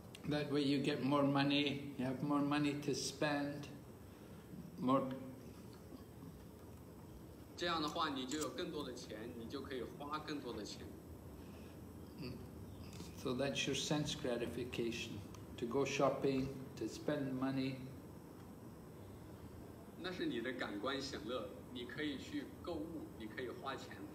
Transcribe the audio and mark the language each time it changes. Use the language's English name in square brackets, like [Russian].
[English] That way you get more money, you have more money to spend, more. [Chinese] 这样的话你就有更多的钱，你就可以花更多的钱。 [English] So that's your sense gratification, to go shopping, to spend money. [Chinese] 那是你的感官享乐，你可以去购物，你可以花钱。